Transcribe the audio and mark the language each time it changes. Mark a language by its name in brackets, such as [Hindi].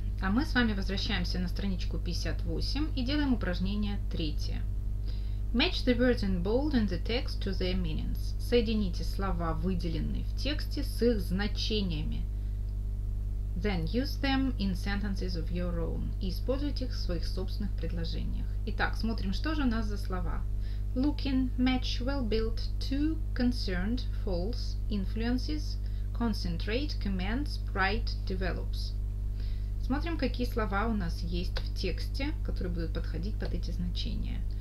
[Russian] А мы с вами возвращаемся на страничку 58 и делаем упражнение третье. [English] Match the words in bold in the text to their meanings. [Russian] Соедините слова, выделенные в тексте, с их значениями. [English] Then use them in sentences of your own. [Russian] И используйте их в своих собственных предложениях. Итак, смотрим, что же у нас за слова. [English] Looking, match, well-built, too, concerned, false, influences, concentrate, commands, pride, develops. [Russian] Смотрим, какие слова у нас есть в тексте, которые будут подходить под эти значения.